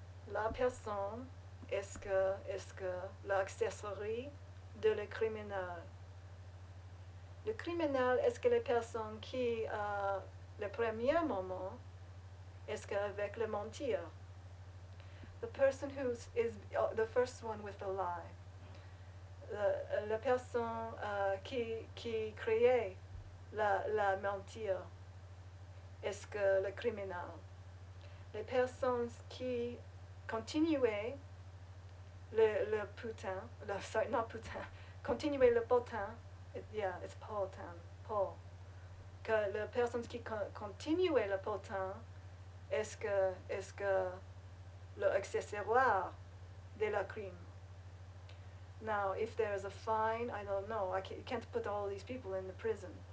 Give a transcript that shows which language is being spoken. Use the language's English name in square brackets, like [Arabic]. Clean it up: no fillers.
[French] La personne, est-ce que l'accessoire de le criminel? Le criminel, est-ce que les personnes qui, le premier moment, est-ce qu'avec le mentir? [English] The person the first one with the lie. [French] La personne qui crée la mentir, est-ce que le criminel? Les personnes qui continuer le putain, sorry, not putain, continuer le potin, yeah, it's potin, pot. Que la personne qui continuait le potin, est-ce que le accessoire de la crime? [English] Now, if there is a fine, I don't know. I can't put all these people in the prison.